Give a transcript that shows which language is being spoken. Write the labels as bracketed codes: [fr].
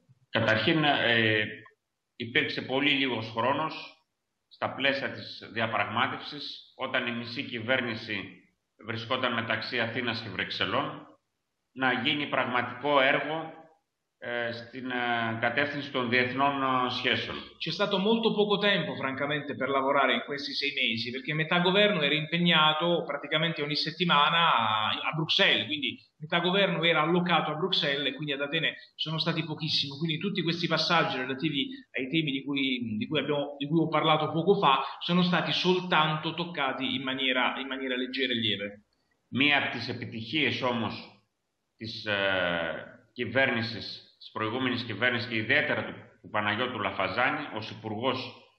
[el] Καταρχήν υπήρξε πολύ λίγος χρόνος στα πλαίσια της διαπραγμάτευσης όταν η μισή κυβέρνηση βρισκόταν μεταξύ Αθήνας και Βρυξελών να γίνει πραγματικό έργο στην κατεύθυνση των διεθνών σχέσεων. [it] C'è stato molto poco tempo, francamente, per lavorare in questi sei mesi, perché metà governo era impegnato praticamente ogni settimana a Bruxelles, quindi metà governo era allocato a Bruxelles e quindi ad Atene sono stati pochissimi. Quindi tutti questi passaggi relativi ai temi di cui ho parlato poco fa sono stati soltanto toccati in maniera leggera e lieve. [el] Mia της επιτυχίες όμως της κυβέρνησης, της προηγούμενης κυβέρνησης και ιδιαίτερα του Παναγιώτου Λαφαζάνη ως υπουργός